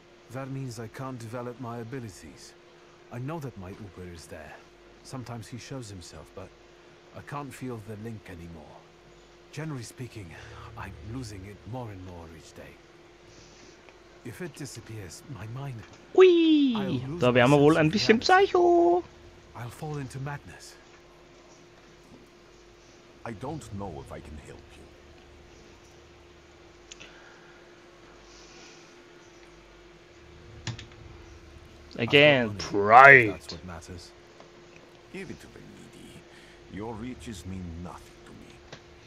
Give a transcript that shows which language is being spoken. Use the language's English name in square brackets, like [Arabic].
[English] That means I can't develop my abilities. I know that my Uber is there. Sometimes he shows himself, but I can't feel the link anymore. Generally speaking, I'm losing it more and more each day. If it disappears, my mind... [German] Ui, da wären wir wohl ein bisschen psycho. [English] I'll fall into madness. I don't know if I can help you. Again, pride. That's what matters. Give it to the needy. Your riches mean nothing to me.